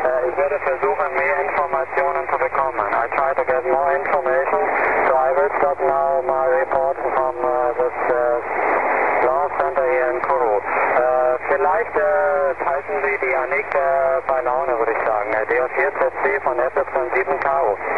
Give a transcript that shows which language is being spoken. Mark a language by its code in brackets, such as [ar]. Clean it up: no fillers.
[de] Ich werde versuchen, mehr Informationen zu bekommen. [en] I try to get more information, so I will stop now my report from the Law Center hier in Kourou. [de] Vielleicht halten Sie die Anik bei Laune, würde ich sagen. DO4ZC von FY7KU.